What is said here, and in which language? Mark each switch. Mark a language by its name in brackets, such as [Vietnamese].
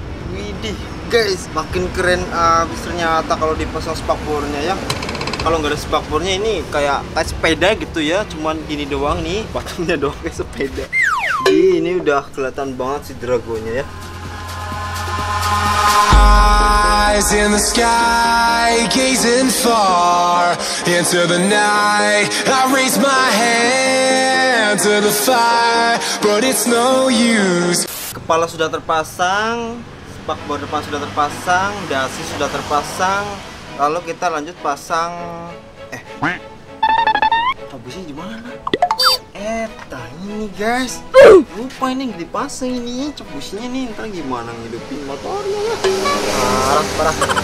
[Indonesian] Widih guys, makin keren abis ternyata kalau dipasang spakbornya ya. Kalau nggak ada spakbornya ini kayak sepeda gitu ya, cuman gini doang nih, batunya doang kayak sepeda. Ini udah kelihatan banget si Dragonnya ya. [English] Eyes in the sky, gazing far into the night. I raise my hand to the fire, but it's no use. [Indonesian] Kepala sudah terpasang, spakbor depan sudah terpasang, dasi sudah terpasang. Lalu kita lanjut pasang. Habisnya gimana? Ini guys, lupa ini yang dipasang ini, cebusnya nih, ntar gimana ngidupin motornya ya. Parah.